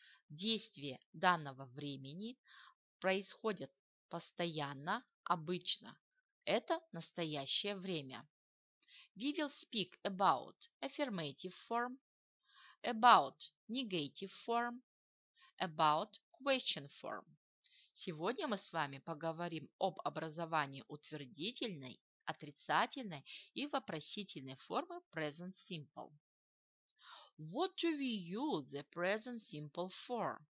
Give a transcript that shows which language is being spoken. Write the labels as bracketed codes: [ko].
[ru] Действия данного времени происходят постоянно, обычно. Это настоящее время. [en] We will speak about affirmative form, about negative form, about question form. [ru] Сегодня мы с вами поговорим об образовании утвердительной, отрицательной и вопросительной формы present simple. [en] What do we use the present simple for?